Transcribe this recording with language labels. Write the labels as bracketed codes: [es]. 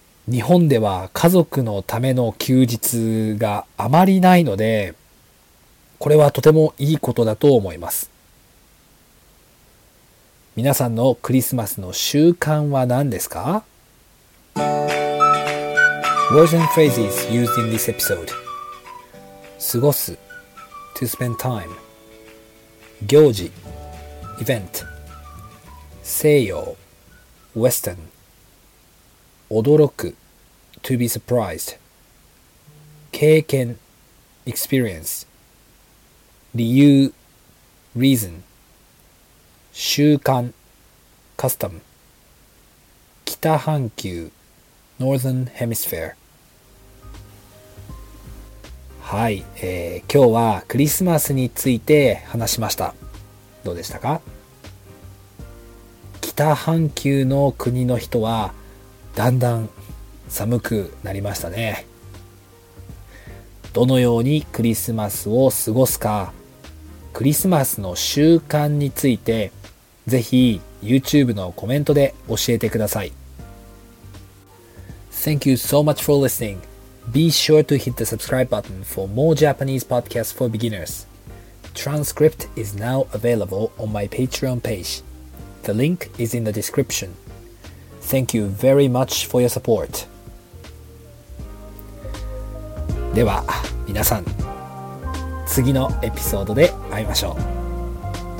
[ja] 日本では家族のための休日があまりないので、これはとてもいいことだと思います。皆さんのクリスマスの習慣は何ですか？ [en] Words and phrases used in this episode. [ja] 過ごす [en] To spend time [ja] 行事 [en] Event [ja] 西洋 [en] Western [ja] 驚く [en] To be surprised [ja] 経験 [en] Experience [ja] 理由 [en] Reason [ja] 習慣 [en] Custom [ja] 北半球 [en] Northern Hemisphere。 [ja] はい、今日はクリスマスについて話しました。どうでしたか？半球の国の人はだんだん寒くなりましたね。どのようにクリスマスを過ごすか、クリスマスの習慣についてぜひ YouTube のコメントで教えてください。 [en] Thank you so much for listening. Be sure to hit the subscribe button for more Japanese podcasts for beginners. Transcript is now available on my Patreon page. The link is in the description. Thank you very much for your support. [ja] では皆さん、次のエピソードで会いましょう。